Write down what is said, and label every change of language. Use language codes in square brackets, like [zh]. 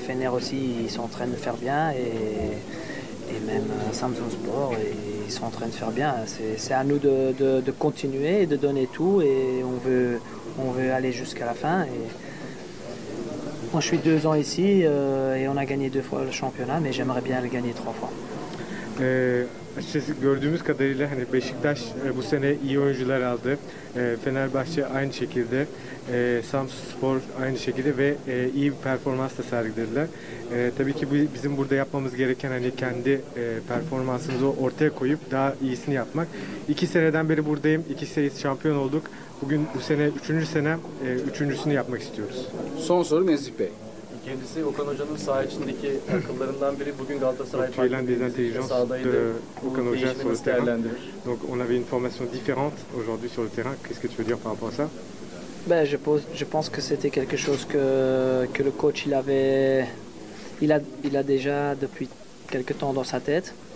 [fr] Fener aussi, ils sont en train de faire bien et même Samsunspor, ils sont en train de faire bien. C'est à nous de continuer et de donner tout et on veut aller jusqu'à la fin. Et moi, je suis 2 ans ici et on a gagné 2 fois le championnat, mais j'aimerais bien le gagner 3 fois. [tr] Açıkçası gördüğümüz kadarıyla hani Beşiktaş bu sene iyi oyuncular aldı. Fenerbahçe aynı şekilde, Samsunspor aynı şekilde ve iyi bir performans da sergilediler. Tabii ki bizim burada yapmamız gereken hani kendi performansımızı ortaya koyup daha iyisini yapmak. 2 seneden beri buradayım. 2 seneyiz şampiyon olduk. Bugün bu sene 3. sene, üçüncüsünü yapmak istiyoruz. Son soru Nezih Bey. Kendisi Okan Hoca'nın saha içindeki akıllarından biri. Bugün Galatasaray Parti sahadaydı. [fr] Okan Hoca sur le terrain. Donc on avait une formation différente aujourd'hui sur le terrain. Qu'est-ce que tu veux dire par rapport à ça? Ben je pense que c'était quelque chose que le coach il a déjà depuis quelque temps dans sa tête.